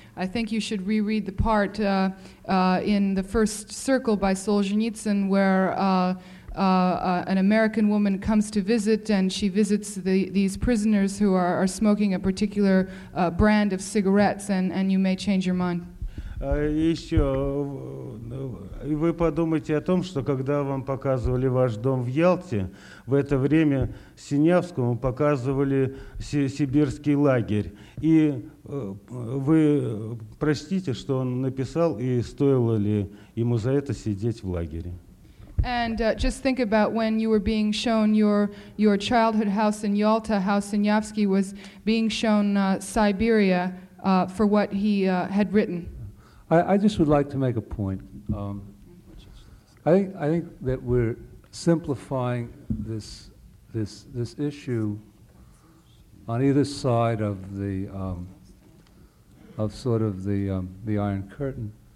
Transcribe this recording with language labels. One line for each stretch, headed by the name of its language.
English: I think you should reread the part in the first circle by Solzhenitsyn where an American woman comes to visit, and she visits these prisoners who are smoking a particular brand of cigarettes, and you may change your mind.
Russian: Еще вы подумайте о том, что когда вам показывали ваш дом в Ялте, в это время Синявскому показывали сибирский лагерь. И вы простите, что он написал, и стоило ли ему за это сидеть в лагере?
English: And just think about when you were being shown your childhood house in Ялта, how Синявский was being shown Siberia for what he had written. I just would like to make a point. I think that we're simplifying this issue on either side of the the Iron Curtain.